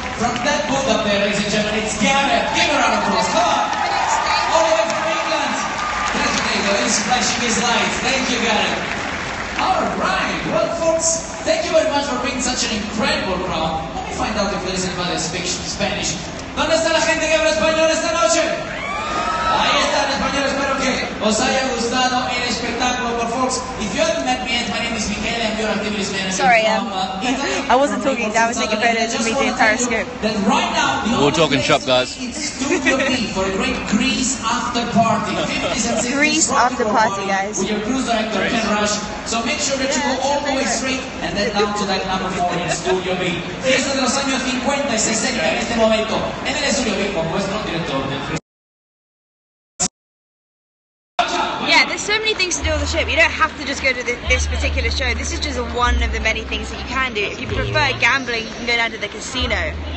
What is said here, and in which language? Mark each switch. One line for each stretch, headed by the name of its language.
English: From that boat up there, ladies and gentlemen, it's Garrett. Give her a round of applause. Come on. All the way from England. There's Diego. He's flashing his lights. Thank you, Garrett. All right. Well, folks, Thank you very much for being such an incredible crowd. Let me find out if there is anybody that speaks Spanish.
Spanish: ¿Dónde está la gente que habla español esta noche? Ahí está el español, espero que os haya gustado el espectáculo.
English: But folks, if you haven't met me yet, my name is Michele, I'm your activist manager. Sorry, Italy. I wasn't talking, I was taking photos of me the entire script. That right now, we're all talking shop, guys. It's Studio B for a great Grease after party. Grease after party, guys. With your cruise director, Ken Rush. So make sure that you go all the way straight and then down to that number four in Studio B.
Spanish: Fiesta de los años 50 y 60 en este momento. En el Studio B, con vuestro director de
English: so many things to do on the ship. You don't have to just go to this particular show. This is just one of the many things that you can do. If you prefer gambling, you can go down to the casino.